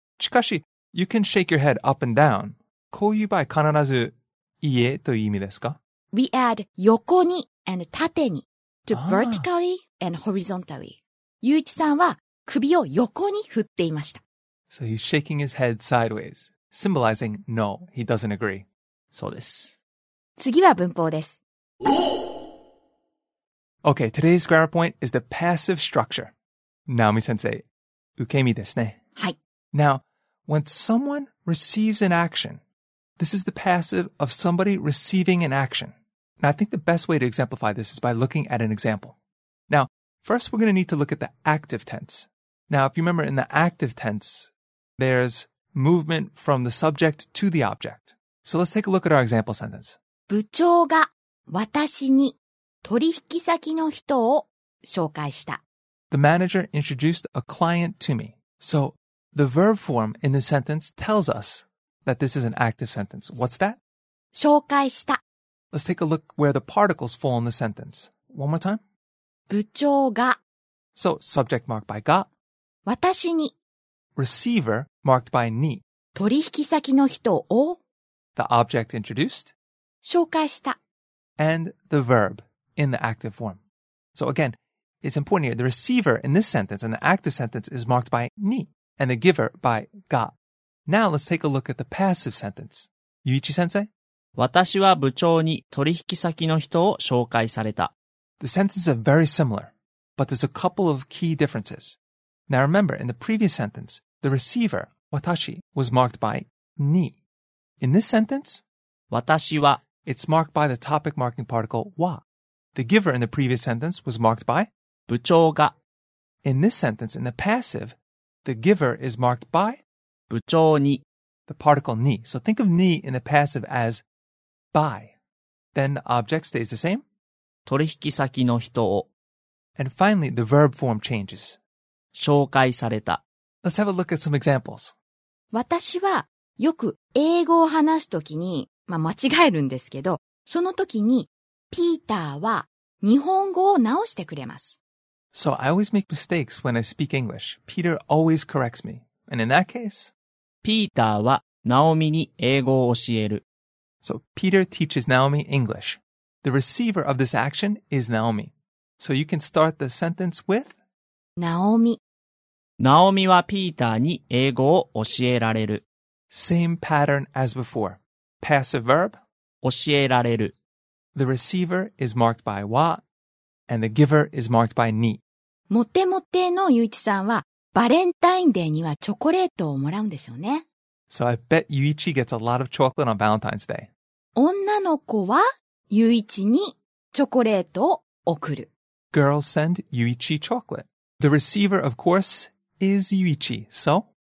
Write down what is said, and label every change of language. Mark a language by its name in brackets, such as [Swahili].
[Japanese] しかし、 [English] you can shake your head up and down. [Japanese] こういう場合、必ずいいえという意味ですか? [English] We add 横に and 縦に to vertically and horizontally. [Japanese] ゆういちさんは首を横に振っていました。 [English] So he's shaking his head sideways, symbolizing no, he doesn't agree. [Japanese] そうです。次は文法です。 [English] Okay, today's grammar point is the passive structure. [Japanese] Naomi sensei, 受け身ですね。はい。 [English] Now, when someone receives an action, this is the passive of somebody receiving an action. And I think the best way to exemplify this is by looking at an example. Now, first we're going to need to look at the active tense. Now, if you remember in the active tense, there's movement from the subject to the object. So let's take a look at our example sentence. [Japanese] 部長が私に取引先の人を紹介した。 [English] The manager introduced a client to me. So,The verb form in the sentence tells us that this is an active sentence. What's that? [Japanese] 紹介した。 [English] Let's take a look where the particles fall in the sentence. One more time. [Japanese] 部長が。 [English] So, subject marked by が。 [Japanese] 私に。 [English] Receiver marked by に。 [Japanese] 取引先の人を。 [English] The object introduced. [Japanese] 紹介した。 [English] And the verb in the active form. So again, it's important here. The receiver in this sentence, in the active sentence, is marked by に。 And the giver by が.Now let's take a look at the passive sentence. Yuichi sensei? [Japanese] 私は部長に取引先の人を紹介された。 [English] The sentence is very similar, but there's a couple of key differences. Now remember, in the previous sentence, the receiver, 私, was marked by に. In this sentence, [Japanese] 私は, [English] it's marked by the topic marking particle は. The giver in the previous sentence was marked by [Japanese] 部長が. [English] In this sentence, in the passive,The giver is marked by [Japanese] 部長に [English] The particle に. So think of に in the passive as by. then the object stays the same. [Japanese] 取引先の人を。 [English] And finally, the verb form changes. [Japanese] 紹介された。 [English] Let's have a look at some examples. [Japanese] 私はよく英語を話すときに、まあ、間違えるんですけど、そのときにピーターは日本語を直してくれます。 [English] So I always make mistakes when I speak English. Peter always corrects me. And in that case, [Japanese] ピーターはナオミに英語を教える。 [English] So Peter teaches Naomi English. The receiver of this action is Naomi. So you can start the sentence with Naomi. [Japanese] Naomi はピーターに英語を教えられる。 [English] Same pattern as before. Passive verb, [Japanese] 教えられる。 [English] The receiver is marked by wa, and the giver is marked by ni. [Japanese] モテモテのユイチさんはバレンタインデーにはチョコレートをもらうんでしょうね。 [English] So I bet Yuichi gets a lot of chocolate on Valentine's Day. [Japanese] 女の子は Yuichi にチョコレートを送る。 [English] Girls send Yuichi chocolate. The receiver, of course, is Yuichi. So?